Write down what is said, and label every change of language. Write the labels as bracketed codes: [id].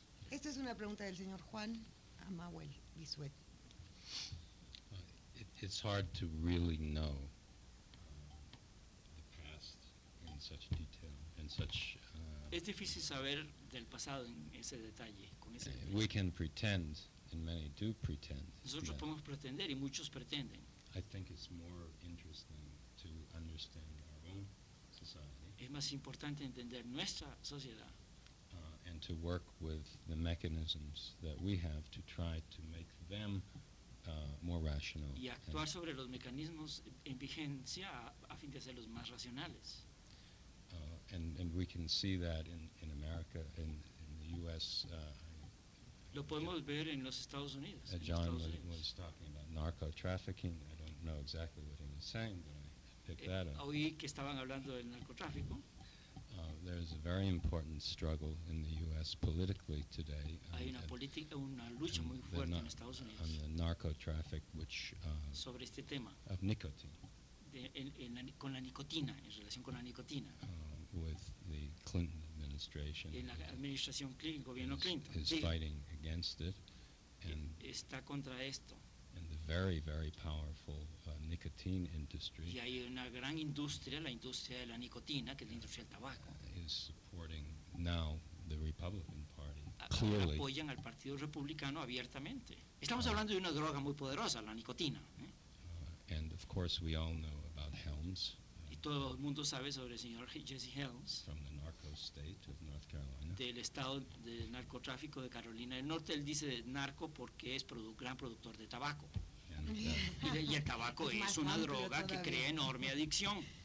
[es] Esta es una pregunta del señor Juan Amahuel Bisuet. [en] It's hard to really know the past in such detail and such. [es] Es difícil saber del pasado en ese detalle. [en] We can pretend, and many do pretend. [es] Nosotros podemos pretender y muchos pretenden. [en] I think it's more interesting to understand our own society. [es] Es más importante entender nuestra sociedad. [en] And to work with the mechanisms that we have to try to make them. More rational. [es] Y actuar sobre los mecanismos en vigencia a fin de hacerlos más racionales. [en] And we can see that in America, in the U.S. [es] Lo podemos ver en los Estados Unidos. [en] John was talking about narco-trafficking. I don't know exactly what he was saying, but I picked that up. [es] Oí que estaban hablando del narcotráfico. [en] There's a very important struggle in the U.S. politically today on the narco-traffic, which [es] sobre este tema [en] of nicotine, [es] con la nicotina, en relación con la nicotina, [en] with the Clinton administration, [es] en la administración Clinton, gobierno Clinton, [en] is fighting against it, and [es] está contra esto. [en] And the very, very powerful nicotine industry. [es] Y hay una gran industria, la industria de la nicotina, que es la industria del tabaco. [en] Is supporting now the Republican Party clearly. [es] Apoyan al Partido Republicano abiertamente. Estamos hablando de una droga muy poderosa, la nicotina. [en] And of course, we all know about Helms. [es] Y todo el mundo sabe sobre el señor Jesse Helms. [en] From the narco state of North Carolina. [es] Del estado de narcotráfico de Carolina del Norte. Él dice narco porque es gran productor de tabaco. Y el tabaco es una droga que crea enorme adicción.